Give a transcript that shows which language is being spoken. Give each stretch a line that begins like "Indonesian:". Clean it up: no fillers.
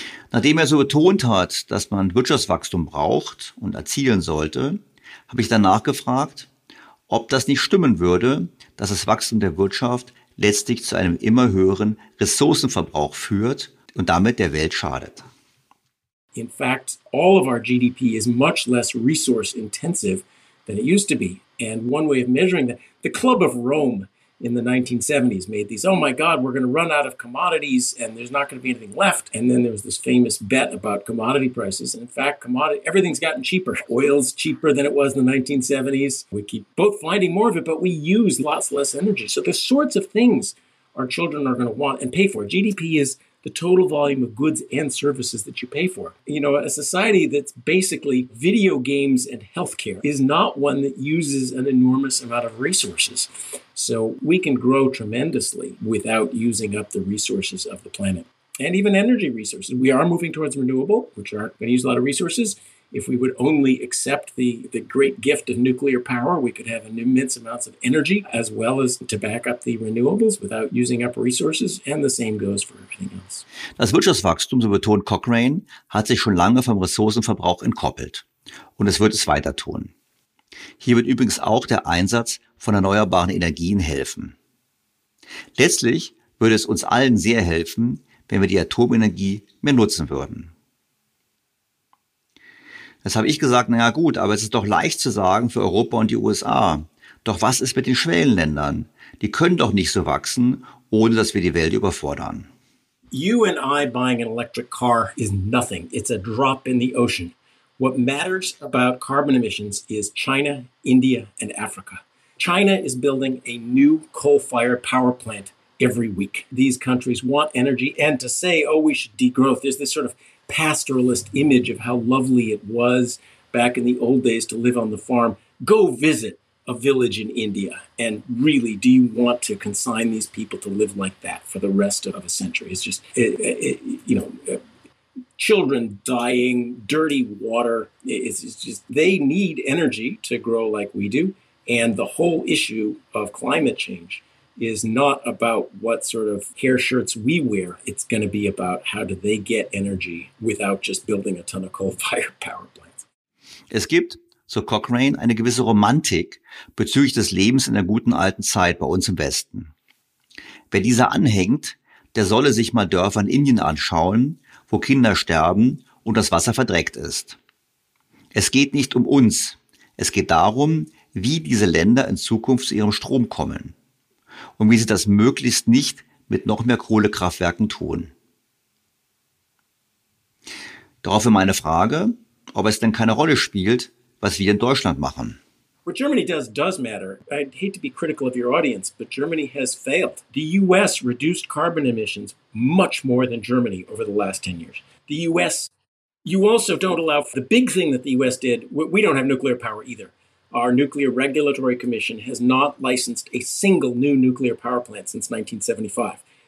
German: Nachdem er so betont hat, dass man Wirtschaftswachstum braucht und erzielen sollte, habe ich danach gefragt, ob das nicht stimmen würde, dass das Wachstum der Wirtschaft letztlich zu einem immer höheren Ressourcenverbrauch führt und damit der Welt schadet.
English: In fact, all of our GDP is much less resource intensive than it used to be. And one way of measuring that, the Club of Rome in the 1970s made these, oh my God, we're going to run out of commodities and there's not going to be anything left. And then there was this famous bet about commodity prices. And in fact, everything's gotten cheaper. Oil's cheaper than it was in the 1970s. We keep both finding more of it, but we use lots less energy. So the sorts of things our children are going to want and pay for. GDP is the total volume of goods and services that you pay for. You know, a society that's basically video games and healthcare is not one that uses an enormous amount of resources. So we can grow tremendously without using up the resources of the planet. And even energy resources. We are moving towards renewable, which aren't going to use a lot of resources. If we would only accept the great gift of nuclear power, we could have immense amounts of energy as well as to back up the renewables without using up resources. And the same goes for everything else.
German: Das Wirtschaftswachstum, so betont Cochrane, hat sich schon lange vom Ressourcenverbrauch entkoppelt. Und es wird es weiter tun. Hier wird übrigens auch der Einsatz von erneuerbaren Energien helfen. Letztlich würde es uns allen sehr helfen, wenn wir die Atomenergie mehr nutzen würden. Das habe ich gesagt, naja gut, aber es ist doch leicht zu sagen für Europa und die USA. Doch was ist mit den Schwellenländern? Die können doch nicht so wachsen, ohne dass wir die Welt überfordern.
English: You and I buying an electric car is nothing. It's a drop in the ocean. What matters about carbon emissions is China, India and Africa. China is building a new coal-fired power plant every week. These countries want energy, and to say, oh, we should degrowth, there's this sort of pastoralist image of how lovely it was back in the old days to live on the farm. Go visit a village in India, and really, do you want to consign these people to live like that for the rest of a century? It's just, children dying, dirty water. It's just, they need energy to grow like we do. And the whole issue of climate change is not about what sort of hair shirts we wear. It's going to be about how do they get energy without just building a ton of coal-fired power plants.
German: Es gibt, so Cochrane, eine gewisse Romantik bezüglich des Lebens in der guten alten Zeit bei uns im Westen. Wer dieser anhängt, der solle sich mal Dörfer in Indien anschauen, wo Kinder sterben und das Wasser verdreckt ist. Es geht nicht um uns. Es geht darum, wie diese Länder in Zukunft zu ihrem Strom kommen und wie sie das möglichst nicht mit noch mehr Kohlekraftwerken tun. Daraufhin meine Frage, ob es denn keine Rolle spielt, was wir in Deutschland machen.
English: What Germany does matter. I hate to be critical of your audience, but Germany has failed. The US reduced carbon emissions much more than Germany over the last 10 years. The US, you also don't allow for the big thing that the US did. We don't have nuclear power either. Our Nuclear Regulatory Commission has not licensed a single new nuclear power plant since 1975.